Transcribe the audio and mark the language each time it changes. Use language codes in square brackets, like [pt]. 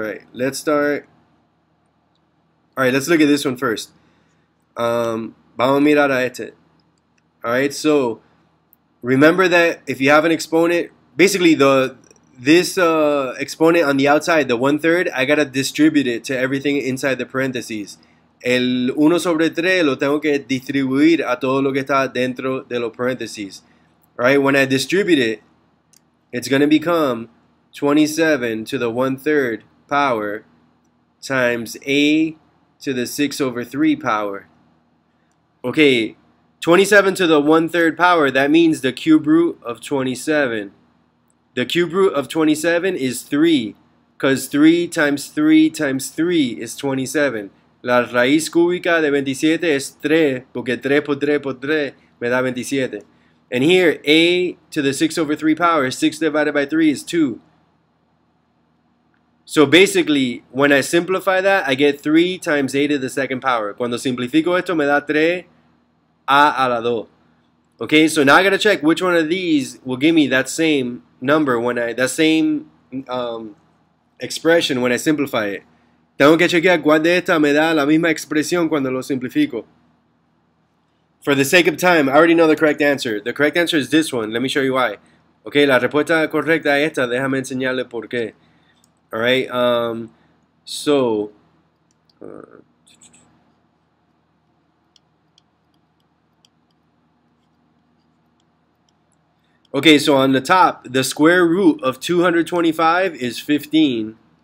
[en] Alright, let's start. Alright, let's look at this one first. [es] Vamos a mirar a este. [en] Alright, so remember that if you have an exponent, basically this exponent on the outside, the 1/3, I got to distribute it to everything inside the parentheses. [es] El 1 sobre 3 lo tengo que distribuir a todo lo que está dentro de los parentheses. [en] All right? When I distribute it, it's going to become 27 to the 1/3 power times a to the 6 over 3 power. Okay, 27 to the 1/3 power, that means the cube root of 27. The cube root of 27 is 3, because 3 times 3 times 3 is 27. [es] La raíz cúbica de 27 es 3, porque 3 por 3 por 3 me da 27. [en] And here, a to the 6 over 3 power, 6 divided by 3 is 2. So basically, when I simplify that, I get 3 times a to the 2nd power. [es] Cuando simplifico esto, me da 3 a la 2. [en] Okay, so now I gotta check which one of these will give me that same number when I, that same expression when I simplify it. [es] Tengo que chequear cuál de estas me da la misma expresión cuando lo simplifico. [en] For the sake of time, I already know the correct answer. The correct answer is this one. Let me show you why. Okay, [es] la respuesta correcta es esta. Déjame enseñarle por qué. [en] All right, okay, so on the top, the square root of 225 is 15.